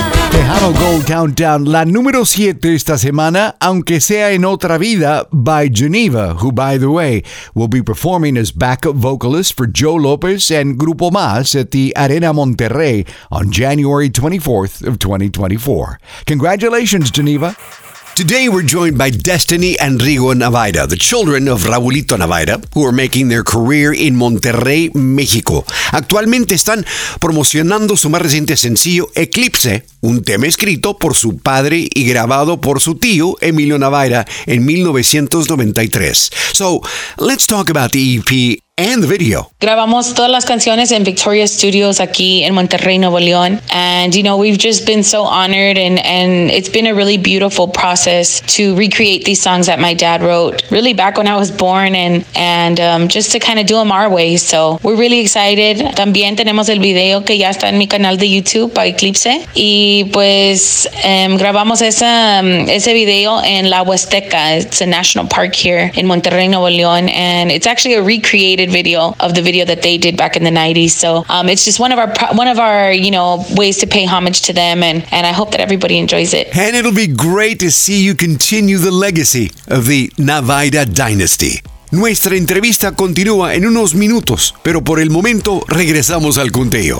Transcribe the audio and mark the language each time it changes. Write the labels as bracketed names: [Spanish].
[English] Tejano Gold Countdown, [Spanish] la número 7 esta semana, aunque sea en otra vida, [English] by Geneva, who, by the way, will be performing as backup vocalist for Joe Lopez and Grupo Más at the Arena Monterrey on January 24th of 2024. Congratulations, Geneva. Today we're joined by Destiny and Rigo Navaira, the children of Raulito Navaira, who are making their career in Monterrey, México. [Spanish] Actualmente están promocionando su más reciente sencillo, Eclipse, un tema escrito por su padre y grabado por su tío, Emilio Navaira, en 1993. [English] So, let's talk about the EP and the video. [Spanish] Grabamos todas las canciones en Victoria Studios aquí en Monterrey, Nuevo León. [English] And, you know, we've just been so honored and it's been a really beautiful process to recreate these songs that my dad wrote really back when I was born and just to kind of do them our way. So we're really excited. [Spanish] También tenemos el video que ya está en mi canal de YouTube by Eclipse. Y pues grabamos ese video en La Huasteca. [English] It's a national park here in Monterrey, Nuevo León. And it's actually a recreate video of the video that they did back in the 90s. So it's just one of our you know, ways to pay homage to them, and I hope that everybody enjoys it. And it'll be great to see you continue the legacy of the Navaira dynasty. [Spanish] Nuestra entrevista continúa en unos minutos, pero por el momento regresamos al conteo.